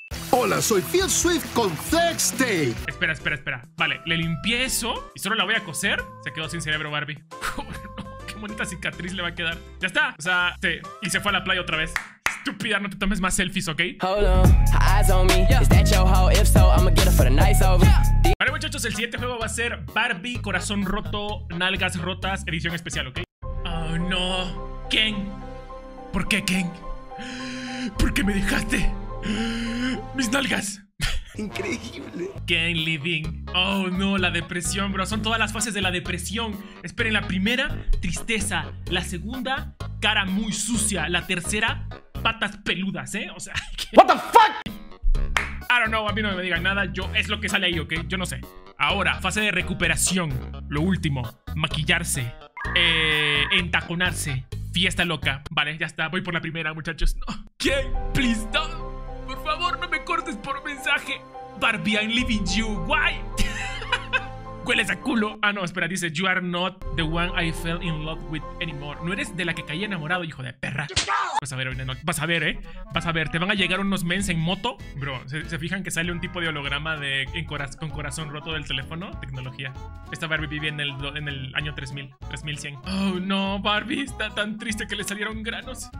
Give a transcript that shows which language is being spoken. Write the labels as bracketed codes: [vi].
[es] Hola, soy Phil Swift con Flex Tape. Espera, espera, espera. Vale, le limpié eso y solo la voy a coser. Se quedó sin cerebro, Barbie. Qué bonita cicatriz le va a quedar. Ya está. O sea, sí. Y se fue a la playa otra vez. Estúpida, no te tomes más selfies, ¿ok? [en] Hold on, eyes on me. Is that your hoe? If so, I'ma get her for the night over. [es] Vale, muchachos, el siguiente juego va a ser Barbie, corazón roto, nalgas rotas, edición especial, ¿ok? Oh, no. Ken. ¿Por qué, Ken? ¿Por qué me dejaste? ¡Mis nalgas! Increíble. Ken Living. Oh, no, la depresión, bro. Son todas las fases de la depresión. Esperen, la primera, tristeza. La segunda, cara muy sucia. La tercera, patas peludas, ¿eh? O sea, ¿qué? [en] What the fuck? I don't know, [es] a mí no me digan nada. Yo, es lo que sale ahí, ¿ok? Yo no sé. Ahora, fase de recuperación. Lo último, maquillarse. Entaconarse. Fiesta loca. Vale, ya está. Voy por la primera, muchachos. No. [en] Ken, please, don't. [es] Por favor, no me cortes por mensaje. [en] Barbie, I'm leaving you. Why? [es] hueles a culo. Ah, no, espera, dice, [en] you are not the one I fell in love with anymore. [es] No eres de la que caí enamorado, hijo de perra. Vas a ver, no, vas a ver, vas a ver, te van a llegar unos mens en moto. Bro, ¿se fijan que sale un tipo de holograma de con corazón roto del teléfono? Tecnología. Esta Barbie vivía en el año 3100. Oh, no, Barbie, está tan triste que le salieron granos.